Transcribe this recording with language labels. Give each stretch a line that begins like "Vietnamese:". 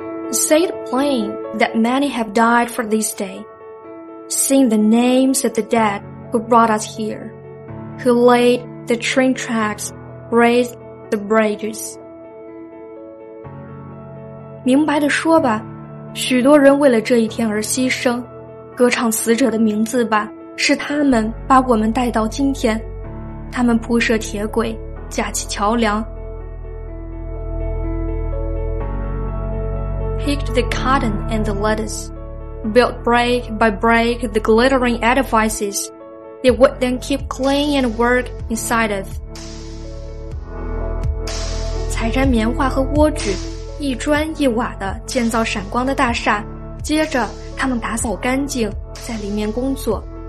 English: Say the plain that many have died for this day. Sing the names of the dead who brought us here, who laid the train tracks, raised the bridges.
Chinese: 明白地说吧，许多人为了这一天而牺牲，歌唱死者的名字吧，是他们把我们带到今天，他们铺设铁轨，架起桥梁，
English: picked the cotton and the lettuce, built brick by brick the glittering edifices they would then keep clean and work inside of.
Chinese: 采摘棉花和莴苣，一砖一瓦地建造闪光的大厦，接着他们打扫干净，在里面工作。